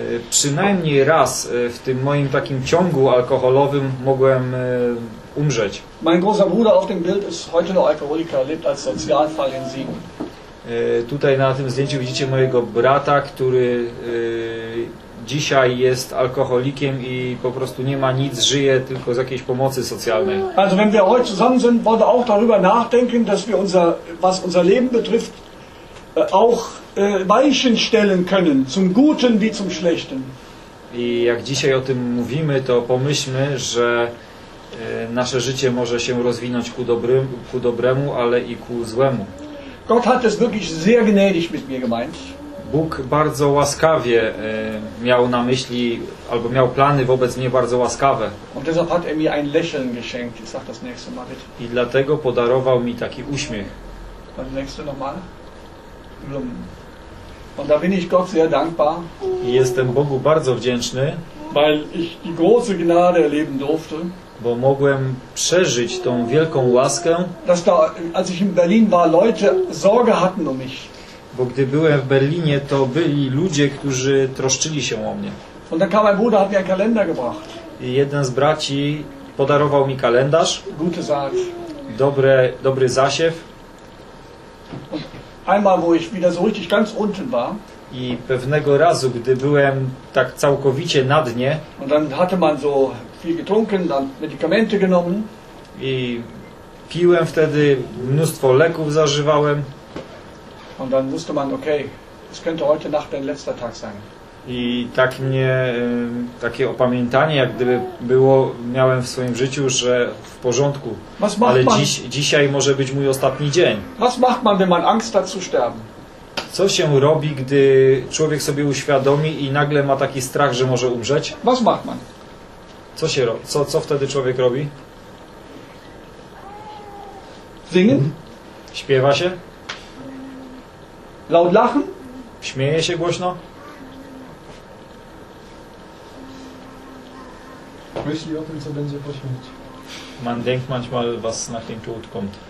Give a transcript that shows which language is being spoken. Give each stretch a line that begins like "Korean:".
Polish: Przynajmniej raz w tym moim takim ciągu alkoholowym mogłem umrzeć.
German: Mein großer Bruder auf dem Bild ist heute noch Alkoholiker, lebt als Sozialfall in Siegen.
Polish: Tutaj na tym zdjęciu widzicie mojego brata, który dzisiaj jest alkoholikiem i po prostu nie ma nic, żyje tylko z jakiejś pomocy socjalnej.
German: Also wenn wir heute zusammen sind, wollte auch darüber nachdenken, dass wir unser, was unser Leben betrifft, auch Weichen stellen können, zum Guten wie zum Schlechten.
Polish: I jak dzisiaj o tym mówimy, to pomyślmy, że nasze życie może się rozwinąć ku dobremu, ale i ku złemu.
German: Gott hat es wirklich sehr gnädig mit mir gemeint.
Polish: Bóg bardzo łaskawie miał na myśli, albo miał plany wobec mnie bardzo łaskawe.
German: Und deshalb hat mir ein Lächeln geschenkt. Ich sag das nächste Mal.
Polish: I dlatego podarował mi taki uśmiech.
German: Und nächste nochmal. Und da bin ich Gott sehr dankbar.
Polish: I jestem Bogu bardzo wdzięczny,
German: weil ich die große Gnade erleben durfte.
Polish: Bo mogłem przeżyć tą wielką łaskę.
German: Dass da, als ich in Berlin war, Leute Sorge hatten um mich.
Polish: Bo gdy byłem w Berlinie, to byli ludzie, którzy troszczyli się o mnie.
German: Und dann kam mein Bruder, hat mir einen Kalender gebracht.
Polish: I jeden z braci podarował mi kalendarz.
German: Gute Saat.
Polish: Dobry zasiew.
German: Und einmal, wo ich wieder so richtig ganz unten war.
Polish: I pewnego razu, gdy byłem tak całkowicie na dnie.
German: Und dann hatte man so getrunken, dann Medikamente genommen.
Polish: I piłem wtedy, mnóstwo leków zażywałem.
German: Und dann wusste man, okay, es könnte heute Nacht dein letzter Tag sein.
Polish: I tak mnie, takie opamiętanie, jak gdyby było, miałem w swoim życiu, że w porządku, ale dzisiaj może być mój ostatni dzień.
German: Was macht man, wenn man Angst hat zu sterben?
Polish: Co się robi, gdy człowiek sobie uświadomi i nagle ma taki strach, że może umrzeć?
German: Was macht man?
Polish: Co się robi? Co wtedy człowiek robi?
German: Singen?
Polish: Śpiewa się?
German: Laut lachen?
Polish: Śmieje się głośno? Myśli o tym, co będzie po śmierci.
German: Man denkt manchmal, was nach dem Tod kommt.